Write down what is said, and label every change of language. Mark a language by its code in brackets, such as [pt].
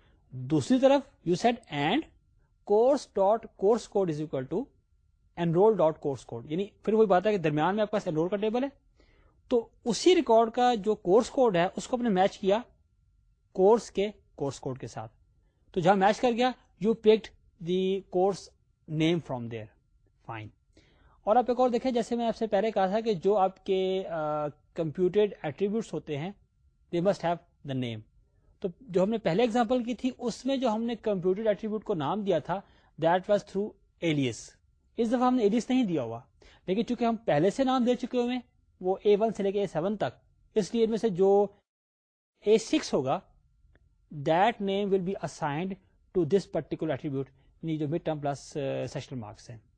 [ur] دوسری طرف [en] you set and course dot course code [ur] is equal to an role dot course code, یعنی پھر وہی بات ہے کہ درمیان میں آپ کا اینرول کا ٹیبل ہے, تو اسی ریکارڈ کا جو کورس کوڈ ہے اس کو آپ نے میچ کیا کورس کے کورس کوڈ کے ساتھ. تو جہاں میچ کر گیا [en] you picked the course name from there, [ur] fine. اور آپ ایک اور دیکھیں, جیسے میں آپ سے پہلے کہا تھا کہ جو آپ کے کمپیوٹڈ ایٹریبیوٹس ہوتے ہیں [en] They must have the name. [ur] تو جو ہم نے پہلے ایگزامپل کی تھی اس میں جو ہم نے کمپیوٹڈ ایٹریبیوٹ کو نام دیا تھا [en] that was through Alice, [ur] اس دفعہ ہم نے ایلیس نہیں دیا ہوا, لیکن چونکہ ہم پہلے سے نام دے چکے ہوئے وہ اے ون سے لے کے اے سیون تک, اس لیے ان میں سے جو اے سکس ہوگا [en] that name will be assigned to this particular attribute, [ur] یعنی جو mid term plus sessional marks ہیں.